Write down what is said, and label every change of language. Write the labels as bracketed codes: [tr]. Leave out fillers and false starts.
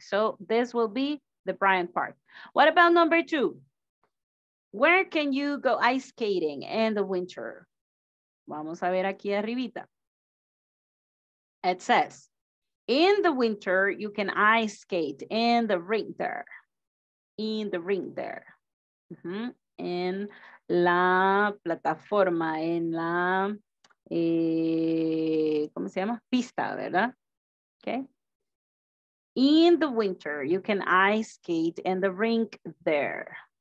[en] So this will be the Bryant Park. What about number two? Where can you go ice skating in the winter? [es] Vamos a ver aquí arribita. [en] It says, in the winter, you can ice skate in the rink there. In the rink there. Mm-hmm. [es] En la plataforma, en la, ¿cómo se llama? Pista, ¿verdad? Okay. [en] In the winter, you can ice skate in the rink there.